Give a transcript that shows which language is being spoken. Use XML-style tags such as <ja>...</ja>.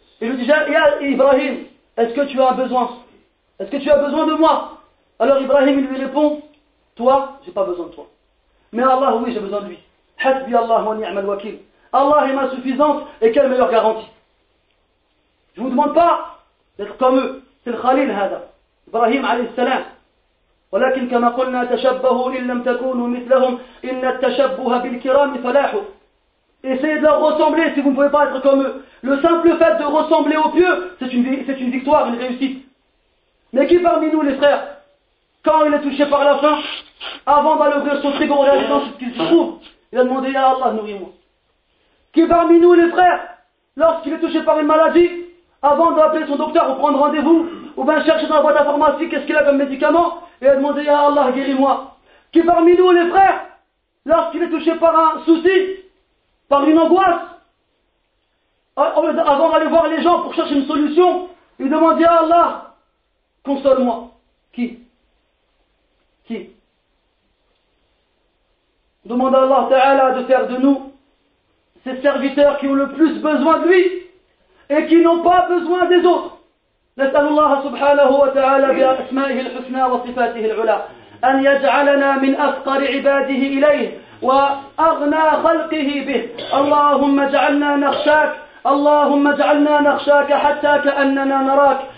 <fr>Il lui dit,</fr> <ar>ya Ibrahim,</ar> <fr>est-ce que tu as besoin? Est-ce que tu as besoin de moi? Alors Ibrahim lui répond, toi, j'ai pas besoin de toi. Mais Allah, oui, j'ai besoin de lui.</fr> <ar>Hasbi Allah wa ni'mal wakil.</ar> <fr>Allah est ma suffisance et quelle meilleure garantie? Je vous demande pas d'être comme eux. C'est le Khalil hada. Ibrahim</fr> <ar>alayhi salam. ولكن كما قلنا تشبهوا إن لم تكونوا مثلهم إن التشبه بالكرام فلاح.</ar> <fr>Essayez de leur ressembler si vous ne pouvez pas être comme eux. Le simple fait de ressembler aux pieux, c'est une victoire, une réussite. Mais qui parmi nous, les frères, quand il est touché par la faim, avant d'aller ouvrir son frigo, réalisant ce qu'il se trouve, il a demandé à Allah, nourris-moi. Qui parmi nous, les frères, lorsqu'il est touché par une maladie, avant d'appeler son docteur ou prendre rendez-vous, ou bien chercher dans la boîte à pharmacie, qu'est-ce qu'il a comme médicament, et a demandé à Allah, guéris-moi. Qui parmi nous, les frères, lorsqu'il est touché par un souci, par une angoisse, avant d'aller voir les gens pour chercher une solution, il demande à Allah, console-moi. Qui? Qui? Demande à Allah Ta'ala de faire de nous ces serviteurs qui ont le plus besoin de lui et qui n'ont pas besoin des autres.</fr> <ar>نسأل الله سبحانه وتعالى بأسمائه الحسنى وصفاته العلى أن يجعلنا من أفقر عباده إليه وأغنى خلقه به. اللهم اجعلنا نخشاك، اللهم اجعلنا نخشاك حتى كأننا نراك.</ar>